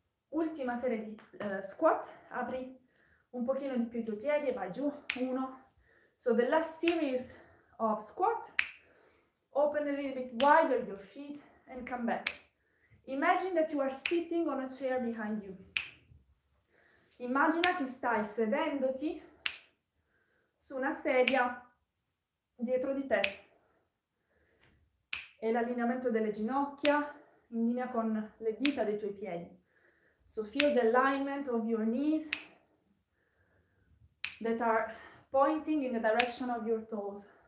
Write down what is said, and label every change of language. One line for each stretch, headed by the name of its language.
Italian: Ultima serie di squat, apri un pochino di più i tuoi piedi e vai giù. 1.
English: So the last series of squat. Open a little bit wider your feet and come back. Imagine that you are sitting on a chair behind you.
Italian: Immagina che stai sedendoti su una sedia dietro di te e l'allineamento delle ginocchia in linea con le dita dei tuoi piedi.
English: So feel the alignment of your knees that are pointing in the direction of your toes.